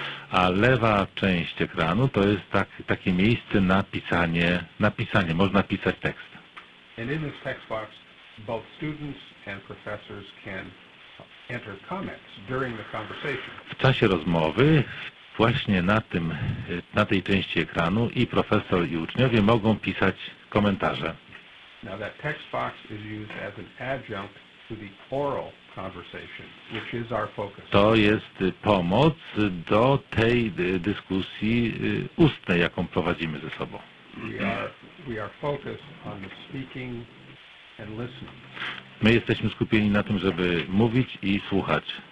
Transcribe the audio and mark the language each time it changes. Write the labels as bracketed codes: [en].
[pl] A lewa część ekranu to jest takie miejsce na pisanie, można pisać tekst. [en] And in this text box, both students and professors can enter comments during the conversation. [pl] W czasie rozmowy właśnie na tej części ekranu i profesor i uczniowie mogą pisać komentarze. [en] Now that text box is used as an adjunct to the oral conversation, which is our focus. [pl] To jest pomoc do tej dyskusji ustnej, jaką prowadzimy ze sobą. [en] We are focused on the speaking. [pl] My jesteśmy skupieni na tym, żeby mówić i słuchać.